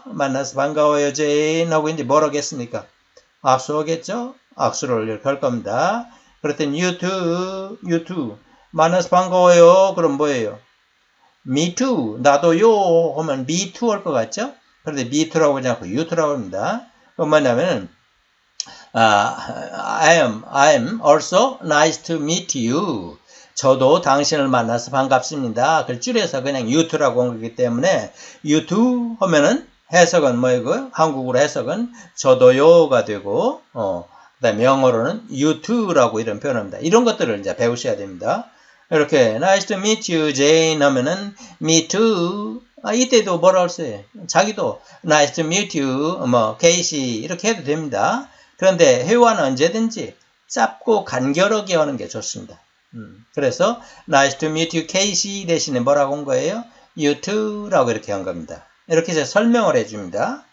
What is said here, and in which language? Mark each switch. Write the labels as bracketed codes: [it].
[ko] 만나서 반가워요, Jane. 하고 이제 뭘 하겠습니까? 악수하겠죠? 악수를 이렇게 할 겁니다. 그랬더니 [en] you too. [ko] 만나서 반가워요. 그럼 뭐예요? [en] Me too. [ko] 나도요. 하면 me too 할 것 같죠? 그런데 me too라고 하지 않고 you too라고 합니다. 그건 뭐냐면은 [en] I am also nice to meet you. [ko] 저도 당신을 만나서 반갑습니다. 그걸 줄여서 그냥 you too라고 한 거기 때문에 you too 하면은 해석은 뭐이고 한국어로 해석은 저도요가 되고 그다음 영어로는 you too라고 이런 표현합니다. 이런 것들을 이제 배우셔야 됩니다. 이렇게 [en] nice to meet you, Jane [ko] 하면은 [en] me too. [ko] 아, 이때도 뭐라 할세요? 자기도 [en] nice to meet you, [ko] 뭐 Casey 이렇게 해도 됩니다. 그런데 회화는 언제든지 짧고 간결하게 하는 게 좋습니다. 그래서 [en] nice to meet you, Casey [ko] 대신에 뭐라고 한 거예요? [en] You too [ko] 라고 이렇게 한 겁니다. 이렇게 제가 설명을 해줍니다.